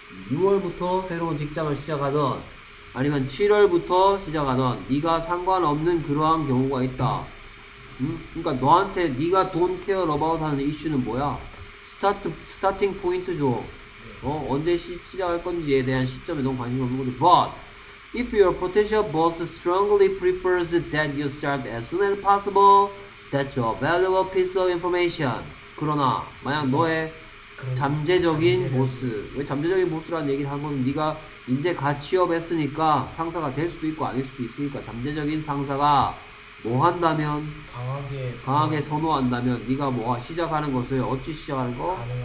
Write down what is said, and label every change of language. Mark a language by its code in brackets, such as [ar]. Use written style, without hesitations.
[ko] 6월부터 새로운 직장을 시작하든 아니면 7월부터 시작하든 네가 상관없는 그러한 경우가 있다. 그러니까 너한테 네가 [en] don't care about [ko] 하는 이슈는 뭐야? 스타팅 포인트죠. 어, 언제 시작할 건지에 대한 시점에 너무 관심이 없는 거죠. [en] But, if your potential boss strongly prefers that you start as soon as possible, that's a valuable piece of information. [ko] 그러나, 만약 너의 잠재적인 보스, 왜 잠재적인 보스라는 얘기를 한 거는 네가 이제 갓 취업했으니까 상사가 될 수도 있고 아닐 수도 있으니까 잠재적인 상사가 뭐 한다면 강하게 선호한다면 네가 뭐 시작하는 것을 어찌 시작하는 거?